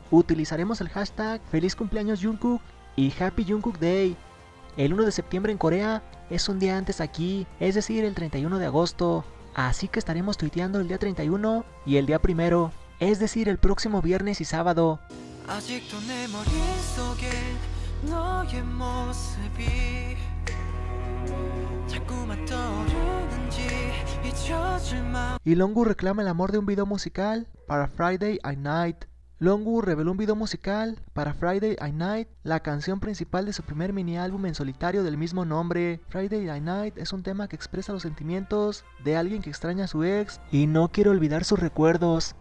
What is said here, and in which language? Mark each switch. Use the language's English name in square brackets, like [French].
[Spanish] Utilizaremos el hashtag Feliz Cumpleaños Jungkook y Happy Jungkook Day. El 1 de septiembre en Corea es un día antes aquí, es decir, el 31 de agosto, así que estaremos tuiteando el día 31 y el día 1, es decir, el próximo viernes y sábado. [Korean] 아직도 내 머릿속에 너의 모습이 자꾸만 떠오르는지 잊혀질까. [Spanish] Y Longwoo reclama el amor de un video musical para Friday at Night. Longwoo reveló un video musical para Friday at Night, la canción principal de su primer mini álbum en solitario del mismo nombre. Friday at Night es un tema que expresa los sentimientos de alguien que extraña a su ex y no quiere olvidar sus recuerdos.